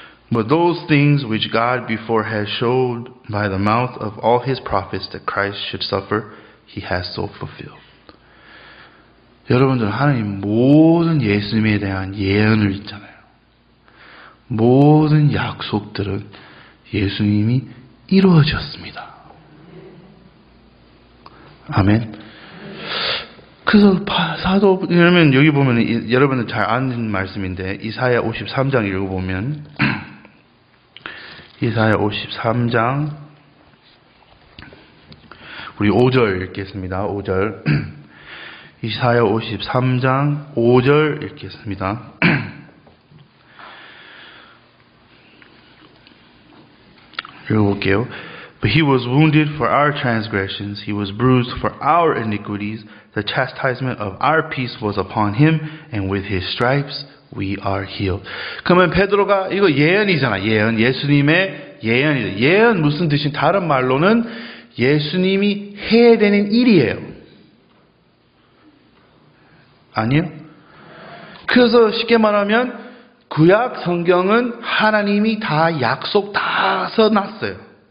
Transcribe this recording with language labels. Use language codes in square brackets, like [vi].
[en] But those things which God before has showed by the mouth of all his prophets that Christ should suffer, he has so fulfilled. [ko] 여러분들, 하나님 모든 예수님에 대한 예언을 있잖아요. 모든 약속들은 예수님이 이루어졌습니다. 아멘. 그래서 사도, 그러면 여기 보면 여러분들 잘 아는 말씀인데 이사야 53장 읽어보면 이사야 53장 우리 5절 읽겠습니다. 5절 이사야 53장 5절 읽겠습니다. 읽어볼게요. [en] But he was wounded for our transgressions. He was bruised for our iniquities. The chastisement of our peace was upon him. And with his stripes we are healed. [ko] 그러면 베드로가 이거 예언이잖아. 예언. 예수님의 예언이죠. 예언 무슨 뜻인지 다른 말로는 예수님이 해야 되는 일이에요. 아니요? 그래서 쉽게 말하면 구약 성경은 하나님이 다 약속 다 써놨어요.